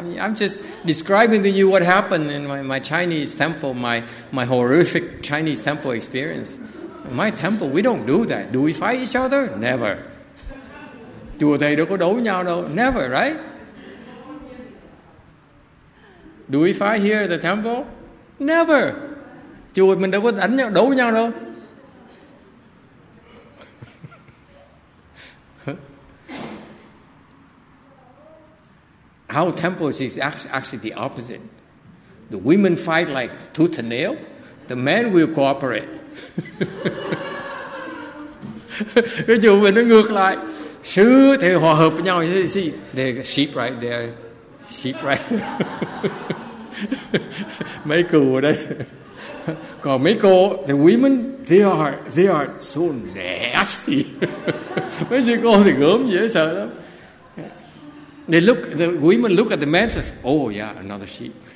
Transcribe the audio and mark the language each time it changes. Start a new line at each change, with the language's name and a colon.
English: I'm just describing to you what happened in my Chinese temple, my horrific Chinese temple experience. In my temple, we don't do that. Do we fight each other? Never.
Vietnamese: Chùa thầy đâu có đấu nhau đâu.
English: Never, right? Do we fight here at the temple? Never.
Vietnamese: Chùa mình đâu có đánh nhau, đấu nhau đâu.
English: Our temples is actually the opposite. The women fight like tooth and nail. The men will cooperate.
Vietnamese: Cái chùa mình nó ngược lại. Sư thì hòa hợp với nhau.
English: See, they're sheep right there. Sheep right there.
Vietnamese: Mấy cừu ở đây. Còn mấy cô,
English: the women, they are so nasty.
Vietnamese: Mấy chị cô thì gớm dễ sợ lắm.
English: The women look at the men and says, oh yeah, another sheep.